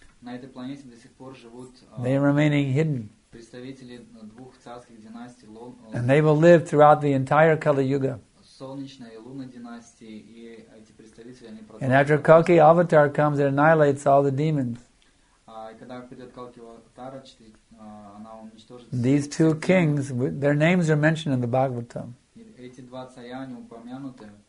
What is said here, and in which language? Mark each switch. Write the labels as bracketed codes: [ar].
[ru] На этой планете до сих пор живут. [en] They are remaining hidden. [ru] Представители двух царских династий Лун. [en] And they will live throughout the entire Kali Yuga. [ru] Солнечная и лунная династии, и эти представители они продолжают. [en] And after Kalki Avatar comes, it annihilates all the demons. [ru] И когда придет Калки Аватара, она уничтожит. [en] These two kings, their names are mentioned in the Bhagavatam. [ru] Эти два царя они упомянуты.